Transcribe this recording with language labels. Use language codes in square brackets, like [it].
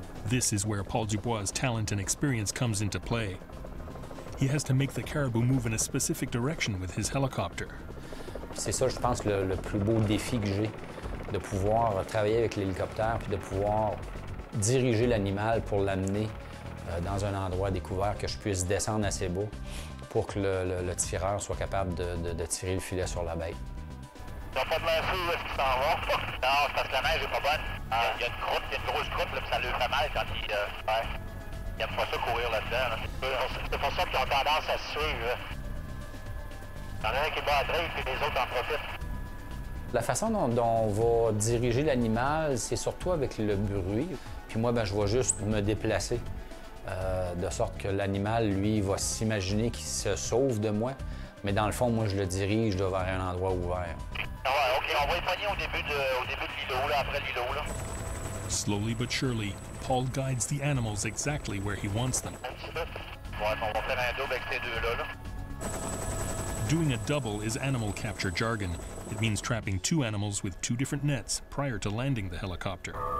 [en] This is where Paul Dubois' talent and experience comes into play. He has to make the caribou move in a specific direction with his helicopter. [fr] C'est ça, je pense, le plus beau défi que j'ai, de pouvoir travailler avec l'hélicoptère puis de pouvoir diriger l'animal pour l'amener dans un endroit découvert, que je puisse descendre assez bas pour que le tireur soit capable de tirer le filet sur la bête. T'as pas de l'air fou, est-ce qu'il s'en va? Non, c'est parce que la neige est pas bonne. Il y a une croûte, il y a une grosse croûte, là, puis ça lui fait mal quand il... Il aime pas ça courir là-dedans. C'est pour ça qu'ils ont tendance à se suivre. Il y en a un qui va adresser, puis les autres en profitent. La façon dont on va diriger l'animal, c'est surtout avec le bruit. Puis moi, ben, je vais juste me déplacer de sorte que l'animal, lui, va s'imaginer qu'il se sauve de moi. Mais dans le fond, moi, je le dirige là, vers un endroit ouvert. Ouais, OK, on va les pogner au début de l'îlot, là, après l'îlot, là. [en] Slowly but surely, Paul guides the animals exactly where he wants them. [fr] Ouais, on va faire un double avec ces deux-là, là. [en] Doing a double is animal capture jargon. It means trapping two animals with two different nets prior to landing the helicopter.